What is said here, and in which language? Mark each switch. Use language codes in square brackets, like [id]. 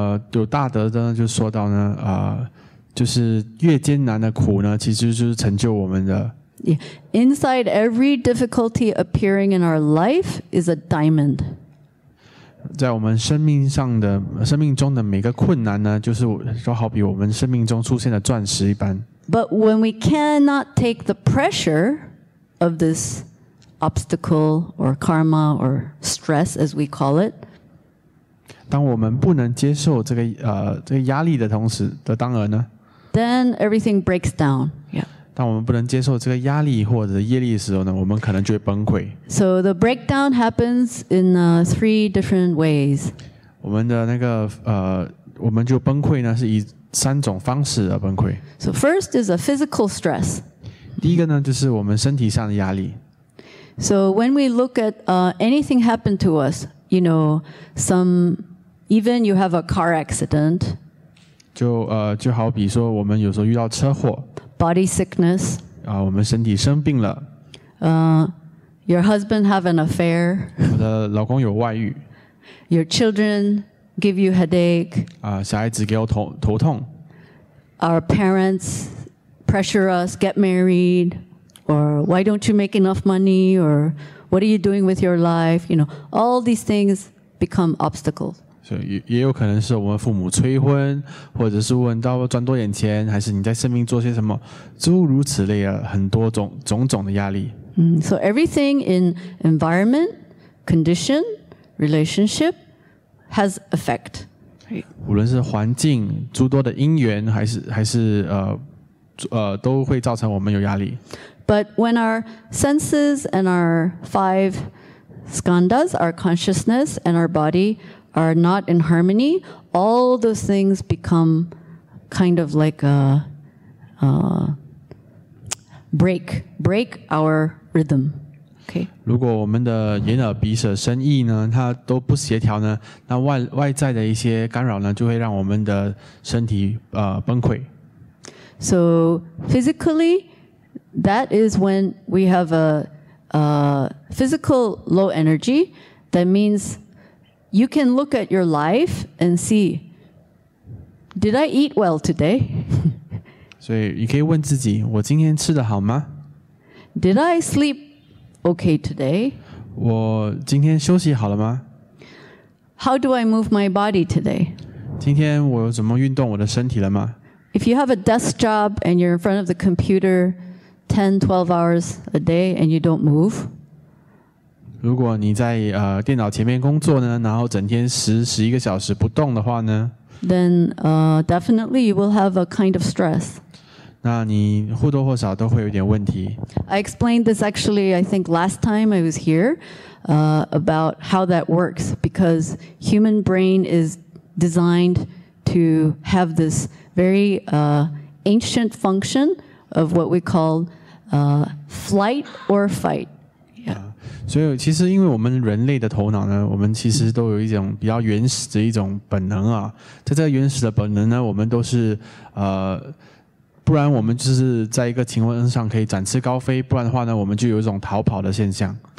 [zh] 有大德呢就说到呢，就是越艰难的苦呢，其实就是成就我们的。 [en] Yeah. Inside every difficulty appearing in our life is a diamond. [zh] 在我们生命中的每个困难呢，就是说好比我们生命中出现的钻石一般。 [en] But when we cannot take the pressure of this obstacle or karma or stress, as we call it. [zh] 当我们不能接受这个压力的同时的当儿呢？ [en] Then everything breaks down. Yeah. [zh] 当我们不能接受这个压力或者业力的时候呢，我们可能就会崩溃。 [en] So the breakdown happens in three different ways. [zh] 我们的那个我们就崩溃呢，是以三种方式而崩溃。 [en] So first is a physical stress. [zh] 第一个呢，就是我们身体上的压力。 [en] So when we look at anything happen to us, you know, some even you have a car accident. [zh] 就好比说，我们有时候遇到车祸 [en] ，body sickness， [zh] 我们身体生病了。 [en] Your husband have an affair. [zh] 我的老公有外遇。 [en] Your children give you headache. [zh] 小孩子给我头痛。 [en] Our parents pressure us, get married, or why don't you make enough money, or what are you doing with your life? You know, all these things become obstacles. [zh] 所以也有可能是我们父母催婚，或者是问到赚多点钱，还是你在生命做些什么，诸如此类的很多种的压力。 [en] So everything in environment, condition, relationship has effect. [zh] 无论是环境、诸多的因缘，还是都会造成我们有压力。 [en] But when our senses and our five skandhas, our consciousness and our body are not in harmony, all those things become kind of like a break our rhythm. Okay. [zh] 如果我们的眼耳鼻舌身意呢，它都不协调呢，那外在的一些干扰呢，就会让我们的身体崩溃。 [en] So physically, that is when we have a physical low energy. That means you can look at your life and see, did I eat well today? [zh] 所以你可以问自己，我今天吃得好吗？ [en] Did I sleep okay today? [zh] 我今天休息好了吗？ [en] How do I move my body today? [zh] 今天我怎么运动我的身体了吗？ [en] If you have a desk job and you're in front of the computer 10-12 hours a day and you don't move, [zh] 如果你在电脑前面工作呢，然后整天10-11个小时不动的话呢， [en] then definitely you will have a kind of stress. [zh] 那你或多或少都会有点问题。 [en] I explained this actually I think last time I was here about how that works because human brain is designed to have this very ancient function of what we call flight or fight. Yeah. [zh] 所以其实因为我们人类的头脑呢，我们其实都有一种比较原始的一种本能啊。在这个原始的本能呢，我们都是不然我们就是在一个情况上可以展翅高飞，不然的话呢，我们就有一种逃跑的现象。